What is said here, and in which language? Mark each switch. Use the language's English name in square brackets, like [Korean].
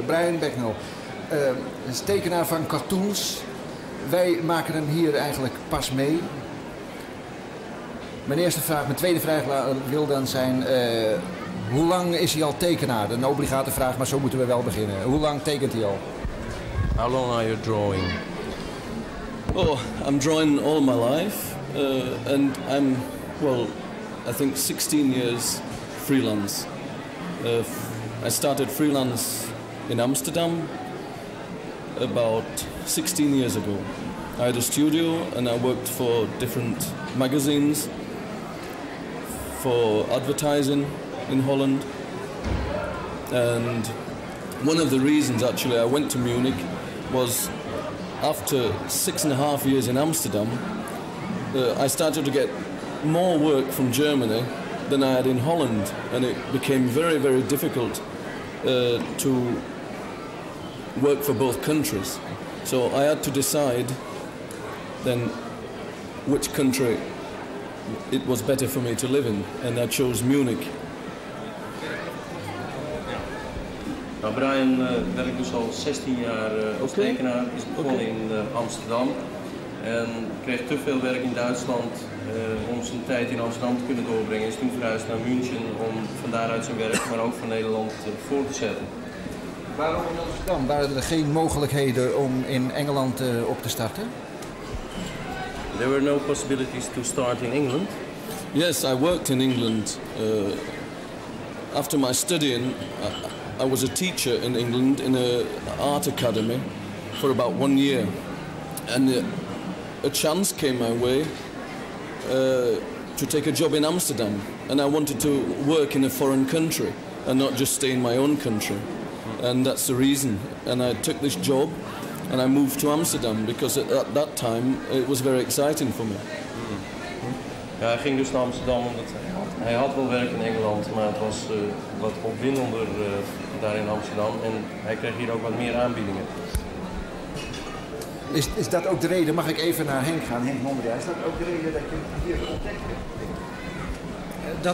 [Dutch] Brian Becknell, is tekenaar van cartoons. Wij maken hem hier eigenlijk pas mee. Mijn tweede vraag wil dan zijn, hoe lang is hij al tekenaar? Een obligate vraag, maar zo moeten we wel beginnen. Hoe lang tekent hij al? [English] How long are you drawing? Oh, I'm drawing all my life. And I'm, well, I think 16 years freelance. I started freelance in Amsterdam about 16 years ago. I had a studio and I worked for different magazines for advertising in Holland. And one of the reasons actually I went to Munich was after 6.5 years in Amsterdam, I started to get more work from Germany than I had in Holland, and it became very, very difficult to work for both countries. So I had to decide then which country it was better for me to live in, and I chose Munich. [Dutch] Nou, Brian, ben ik dus al 16 jaar als tekenaar. Is begonnen in Amsterdam en kreeg te veel werk in Duitsland om zijn tijd in Amsterdam te kunnen doorbrengen. Is toen verhuisd naar München om van daaruit zijn werk, maar ook van Nederland, voor te zetten. Waarom in Amsterdam? Waren er geen mogelijkheden om in Engeland op te starten? [English] There were no possibilities to start in England. Yes, I worked in England. After my studying, I was a teacher in England in an art academy for about 1 year. And a chance came my way to take a job in Amsterdam. And I wanted to work in a foreign country and not just stay in my own country. And that's the reason. And I took this job and I moved to Amsterdam because at that time it was very exciting for me. [Dutch] Ja, hij ging dus naar Amsterdam omdat hij had wel werk in Engeland, maar het was wat opwindender daar in Amsterdam en hij kreeg hier ook wat meer aanbiedingen. Is dat ook de reden, mag ik even naar Henk gaan, Henk Mondria, is dat ook de reden dat je hier ontdekte?